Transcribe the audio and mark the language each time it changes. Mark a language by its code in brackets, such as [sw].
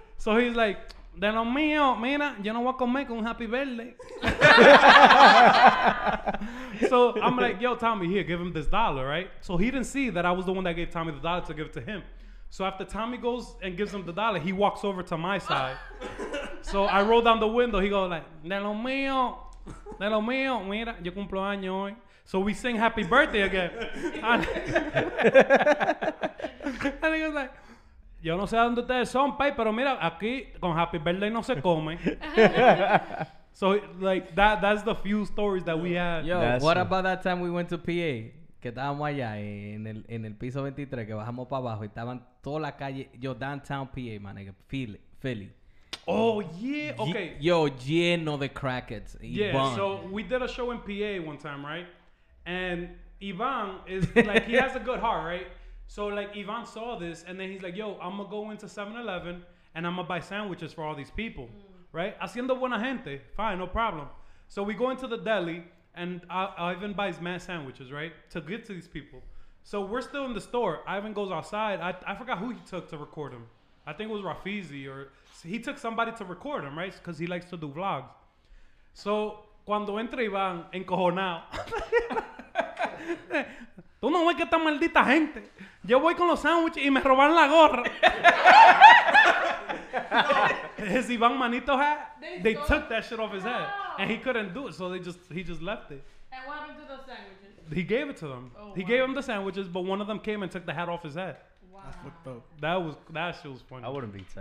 [en] So he's like, [es] de lo mío, mira, yo no voy a comer con un [en] happy birthday. So I'm like, yo, Tommy, here, give him this dollar, right? So he didn't see that I was the one that gave Tommy the dollar to give it to him. So after Tommy goes and gives him the dollar, he walks over to my side. So I roll down the window. He goes like, [es] de lo mío, mira, yo cumplo año hoy. [en] So we sing happy birthday again. And he goes like, [es] yo no sé dónde ustedes son, pay, pero mira, aquí con [en] happy birthday [es] no se come. [en] So, like, that's the few stories that we had. Yo, about that time we went to PA? [es] Que estábamos allá en el piso 23, que bajamos para abajo y estaban toda la calle. [en] Yo, downtown PA, man, nigga, Philly. Oh, yeah, okay. [es] Yo, lleno de crackheads. [en] Yeah, Iván. So we did a show in PA one time, right? And Iván is, like, he has a good heart, right? So, like, Ivan saw this, and then he's like, yo, I'm going to go into 7-Eleven, and I'm going to buy sandwiches for all these people, right? [es] Haciendo buena gente. [en] Fine, no problem. So we go into the deli, and Ivan buys mad sandwiches, right, to get to these people. So we're still in the store. Ivan goes outside. I forgot who he took to record him. I think it was Rafizi, or he took somebody to record him, right, because he likes to do vlogs. [es] So cuando entra Ivan, encojonado. Tú no ves que esta maldita gente. Yo voy con los sándwiches y me roban la gorra. [en] His Iván Manito hat, they took that shit off his head. And he couldn't do it, so he just left it. And what happened to those sandwiches? He gave it to them. Oh, he gave them the sandwiches, but one of them came and took the hat off his head. Wow. That was that shit was funny. I wouldn't be tight.